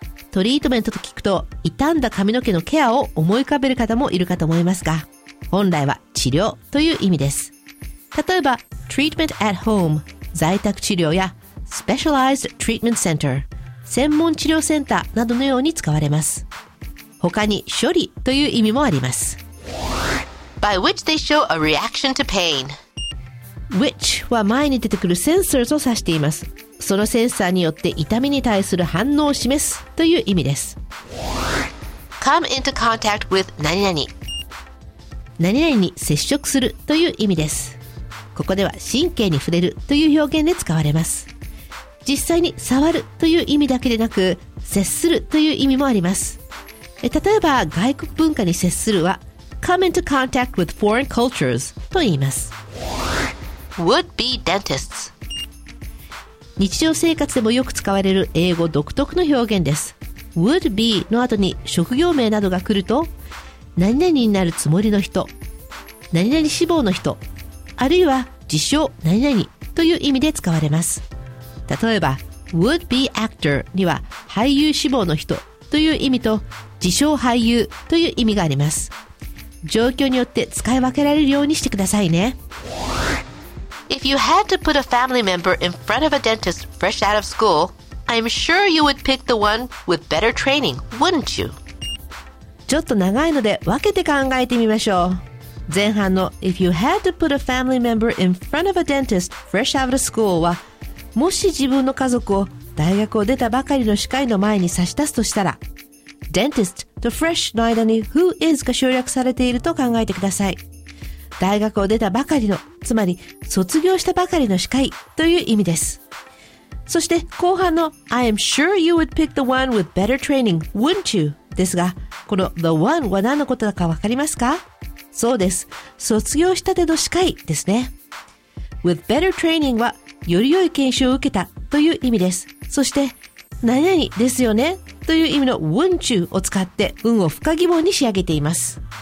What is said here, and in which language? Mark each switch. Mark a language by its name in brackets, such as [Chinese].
[Japanese] トリートメントと聞くと傷んだ髪の毛のケアを思い浮かべる方もいるかと思いますが本来は治療という意味です。例えば Treatment at home 在宅治療やSpecialized Treatment Center 専門治療センターなどのように使われます。他に処理という意味もあります。 [English] By which they show a reaction to pain [Japanese] Which は前に出てくるセンサーを指しています。そのセンサーによって痛みに対する反応を示すという意味です。 [English] Come into contact with [Japanese] 何々に接触するという意味です。ここでは神経に触れるという表現で使われます。実際に触るという意味だけでなく接するという意味もあります。例えば外国文化に接するは [English] Come into contact with foreign cultures [Japanese] と言います。 [English] Would be dentists [Japanese] 日常生活でもよく使われる英語独特の表現です。 Would be の後に職業名などが来ると何々になるつもりの人何々志望の人あるいは自称何々という意味で使われます。例えば would be actor には俳優志望の人という意味と自称俳優という意味があります。状況によって使い分けられるようにしてくださいね。 [English] If you had to put a family member in front of a dentist fresh out of school I'm sure you would pick the one with better training, wouldn't you? [Japanese] ちょっと長いので分けて考えてみましょう。前半の [English] If you had to put a family member in front of a dentist fresh out of school [Japanese] はもし自分の家族を大学を出たばかりの歯科医の前に差し出すとしたら Dentist と Fresh の間に Who is が省略されていると考えてください。大学を出たばかりのつまり卒業したばかりの歯科医という意味です。そして後半の [English] I am sure you would pick the one with better training, wouldn't you? [Japanese] ですがこの The one は何のことだかわかりますか？そうです、卒業したての歯科医ですね。 [English] With better training [Japanese] はより良い研修を受けたという意味です。そして何々ですよねという意味の wouldn't you を使って文を不可疑問に仕上げています。